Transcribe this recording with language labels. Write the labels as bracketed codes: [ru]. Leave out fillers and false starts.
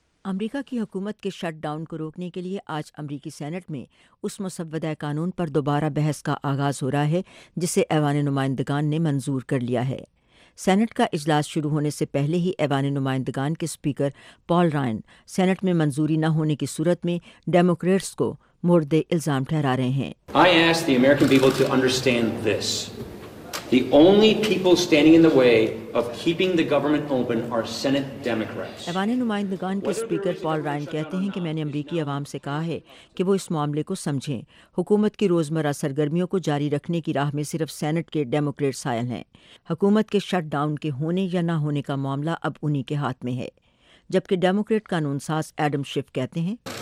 [ur] امریکہ کی حکومت کے شٹ ڈاؤن کو روکنے کے لیے آج امریکی سینٹ میں اس مسودہ قانون پر دوبارہ بحث کا آغاز ہو رہا ہے جسے ایوان نمائندگان نے منظور کر لیا ہے۔ سینٹ کا اجلاس شروع ہونے سے پہلے ہی ایوان نمائندگان کے سپیکر پال رائن سینٹ میں منظوری نہ ہونے کی صورت میں ڈیموکریٹس کو مردے الزام ٹھہرا رہے ہیں۔ [en] I ask the American people to understand this. The only people standing in the way of keeping the government open are Senate Democrats. [ur] ایوان نمائندگان کے سپیکر پال رائن کہتے ہیں کہ میں نے امریکی عوام سے کہا ہے کہ وہ اس معاملے کو سمجھیں۔ حکومت کی روزمرہ سرگرمیوں کو جاری رکھنے کی راہ میں صرف سینٹ کے ڈیموکریٹ سائل ہیں۔ حکومت کے شٹ ڈاؤن کے ہونے یا نہ ہونے کا معاملہ اب انہی کے ہاتھ میں ہے۔ جبکہ ڈیموکریٹ قانون ساز ایڈم شیف کہتے ہیں